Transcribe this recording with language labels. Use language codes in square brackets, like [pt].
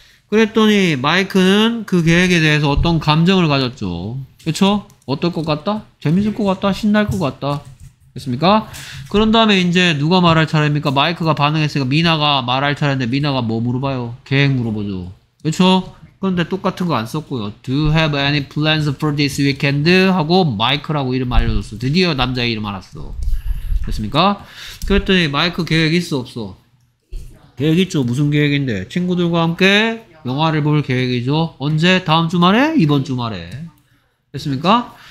[ko] 그랬더니 마이크는 그 계획에 대해서 어떤 감정을 가졌죠. 그쵸? 어떨 것 같다? 재밌을 것 같다? 신날 것 같다? 됐습니까? 그런 다음에 이제 누가 말할 차례입니까? 마이크가 반응했으니까 미나가 말할 차례인데 미나가 뭐 물어봐요? 계획 물어보죠. 그쵸? 그런데 똑같은 거 안 썼고요. [en] Do you have any plans for this weekend? [ko] 하고 마이크라고 이름 알려줬어. 드디어 남자 이름 알았어. 됐습니까? 그랬더니 마이크 계획 있어 없어? 계획 있죠. 무슨 계획인데? 친구들과 함께 영화를 볼 계획이죠. 언제? 다음 주말에? 이번 주말에. 됐습니까?